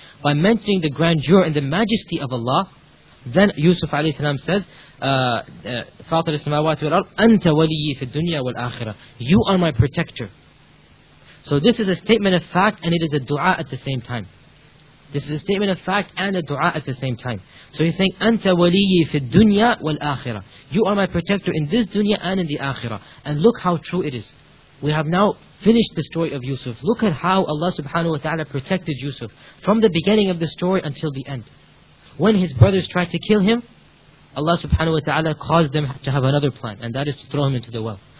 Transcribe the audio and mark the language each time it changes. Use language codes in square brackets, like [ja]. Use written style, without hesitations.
[en] By mentioning the grandeur and the majesty of Allah, then Yusuf alayhi salam says, [ar] فَاطِرِ السَّمَاوَاتِ وَالْأَرْضِ أَنْتَ وَلِيِّي فِي الدُّنْيَا وَالْآخِرَةِ. [en] You are my protector. So this is a statement of fact and it is a dua at the same time. This is a statement of fact and a dua at the same time. So he's saying, [ar] أَنْتَ وَلِيِّي فِي الدُّنْيَا وَالْآخِرَةِ. [en] You are my protector in this dunya and in the akhirah. And look how true it is. We have now finished the story of Yusuf. Look at how Allah subhanahu wa ta'ala protected Yusuf from the beginning of the story until the end. When his brothers tried to kill him, Allah subhanahu wa ta'ala caused them to have another plan, and that is to throw him into the well.